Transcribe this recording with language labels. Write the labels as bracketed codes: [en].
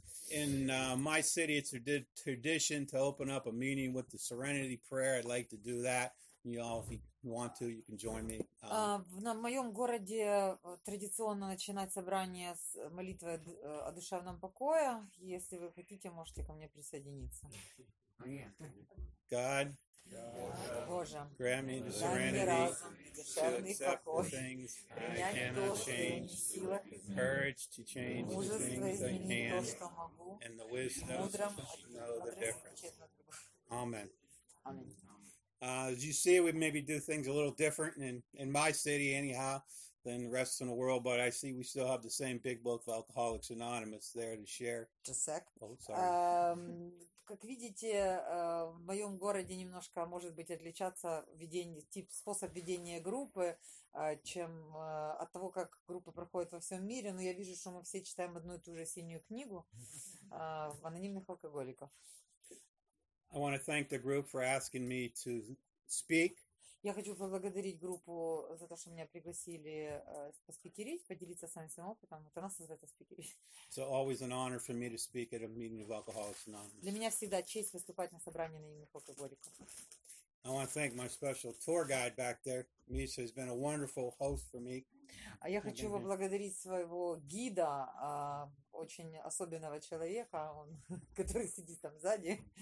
[en] In my city, it's a tradition to open up a meeting with the Serenity Prayer. I'd like to do that. You all, if you want to, you can join me. [ru] На моем городе традиционно начинать собрание с молитвы о душевном покое. Если вы хотите, можете ко мне присоединиться. [en] God, [ru] Боже, [en] grant me the serenity to accept the things I cannot change, courage to change the things I can, and the wisdom to know the difference. Amen. As you see, we maybe do things a little different in my city, anyhow, than the rest of the world, but I see we still have the same big book, Alcoholics Anonymous, there to share. Just a sec. Oh, sorry. [ru] Как видите, в моем городе немножко может быть отличаться ведение, тип, способ ведения группы, чем от того, как группы проходят во всем мире. Но я вижу, что мы все читаем одну и ту же синюю книгу анонимных алкоголиков. [en] I want to thank the group for asking me to speak. [ru] Я хочу поблагодарить группу за то, что меня пригласили поспикерить, поделиться с вами своим опытом. Это нас называется спикерить. [en] Always an honor for me to speak at a meeting of Alcoholics Anonymous. [ru] Для меня всегда честь выступать на собрании анонимных алкоголиков. [en] I want to thank my special tour guide back there. Misha has been a wonderful host for me. [ru] Я хочу поблагодарить своего гида, очень особенного человека, он, который сидит там сзади.